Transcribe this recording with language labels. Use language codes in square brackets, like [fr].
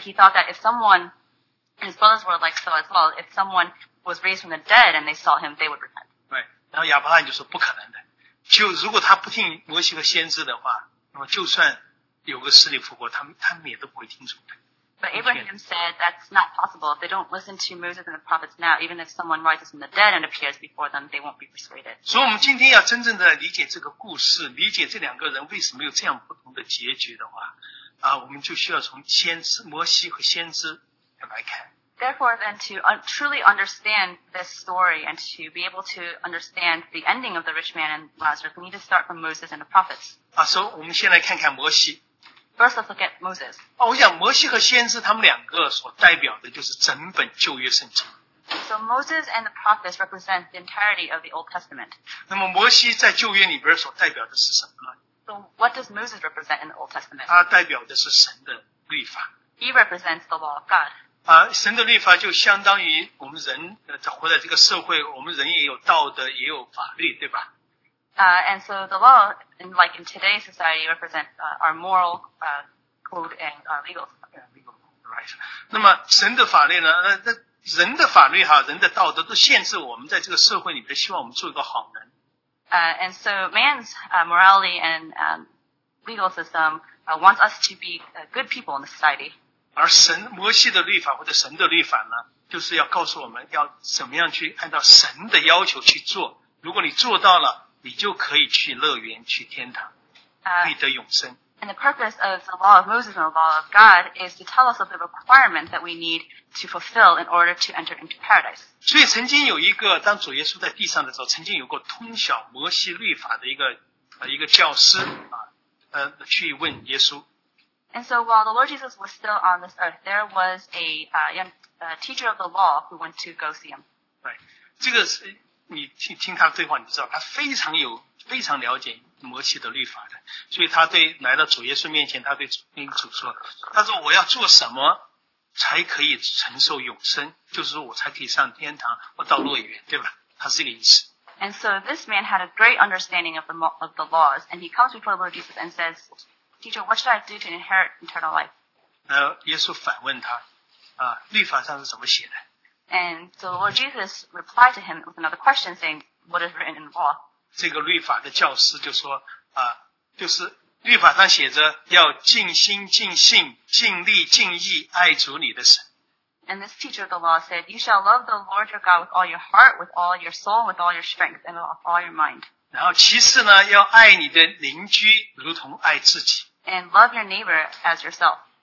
[en] He thought that if someone, his brothers were like so as well, if someone was raised from the dead and they saw him, they would repent. Right. [zh] 然后亚伯拉罕就说不可能的。就如果他不听摩西和先知的话，那么就算有个死里复活，他们也都不会听从的。 [en] But Abraham said that's not possible. If they don't listen to Moses and the prophets now, even if someone rises from the dead and appears before them, they won't be persuaded. [zh] 所以我们今天要真正的理解这个故事，理解这两个人为什么有这样不同的结局的话，我们就需要从先知摩西和先知来看。 [en] Therefore, then, to truly understand this story and to be able to understand the ending of the rich man and Lazarus, we need to start from Moses and the prophets. [zh] 啊，所以我们先来看看摩西。 [en] First, let's look at Moses. [zh] 哦，我想摩西和先知他们两个所代表的就是整本旧约圣经。 [en] So Moses and the prophets represent the entirety of the Old Testament. [zh] 那么摩西在旧约里边所代表的是什么呢？ [en] So what does Moses represent in the Old Testament? [zh] 他代表的是神的律法。 [en] He represents the law of God. [zh] 啊，神的律法就相当于我们人在活在这个社会，我们人也有道德，也有法律，对吧？ [en] And so the law, like in today's society, represents our moral code and legal. Right. [zh] 那么神的法律呢？那人的法律哈，人的道德都限制我们在这个社会里面，希望我们做一个好人。 [en] And so man's morality and legal system wants us to be good people in the society. [zh] 而神摩西的律法或者神的律法呢，就是要告诉我们要怎么样去按照神的要求去做。如果你做到了，你就可以去乐园，去天堂，必得永生。 [en] And the purpose of the law of Moses and the law of God is to tell us of the requirement that we need to fulfill in order to enter into paradise. [zh] 所以曾经有一个当主耶稣在地上的时候，曾经有过通晓摩西律法的一个教师啊，去问耶稣。 [en] And so while the Lord Jesus was still on this earth, there was a young teacher of the law who went to go see him. Right. [zh] 这个是你听他的对话，你知道他非常了解摩西的律法的，所以他对来到主耶稣面前，他对主说，他说我要做什么才可以承受永生，就是说我才可以上天堂或到乐园，对吧？他是这个意思。 [en] And so this man had a great understanding of the laws, and he comes before the Lord Jesus and says, Teacher, what should I do to inherit eternal life? [zh] 耶稣反问他，啊，律法上是怎么写的？ [en] And so the Lord Jesus replied to him with another question, saying, What is written in the law? [zh] 这个律法的教师就说啊，就是律法上写着要尽心尽性尽力尽意爱主你的神。 [en] And this teacher of the law said, "You shall love the Lord your God with all your heart, with all your soul, with all your strength, and with all your mind." [zh] 然后其次呢，要爱你的邻居如同爱自己。 [en] And love your neighbor as yourself.